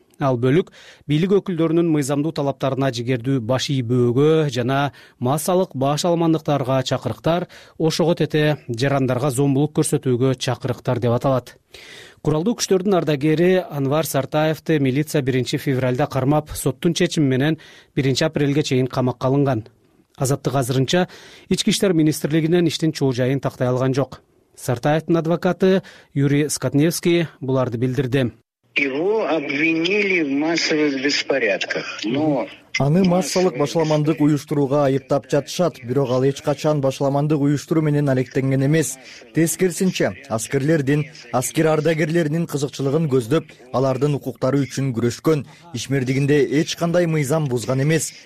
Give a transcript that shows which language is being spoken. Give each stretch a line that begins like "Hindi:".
Kyrgyz: Ал бөлүк бийлик өкүлдөрүнүн мыйзамдуу талаптарына жигердүү баш ийбөөгө жана массалык баш алмандыктарга чакырыктар, ошого тете жарандарга зомбулук көрсөтүүгө чакырыктар деп аталат. Куралдуу күчтөрдүн ардагери Анвар Сартаевди милиция 1-февралда кармап, соттун чечими менен 1-апрелге чейин камакка алынган. Азаттык азырынча ички иштер министрлигинен иштин чоо жайын тактай алган жок. Сартаевдин адвокаты Юрий Скотневский буларды билдирди.
Russian: Его обвинили в массовых беспорядках, но...
Kyrgyz: Аны массалык башаламандык уюштурууга айыптап жатышат, бирок ал эч качан башаламандык уюштуруу менен алектенген эмес. Тескерисинче, аскерлердин, аскер ардагерлеринин кызыкчылыгын көздөп, алардын укуктары үчүн күрөшкөн, ишмердигинде эч кандай мыйзам бузган эмес.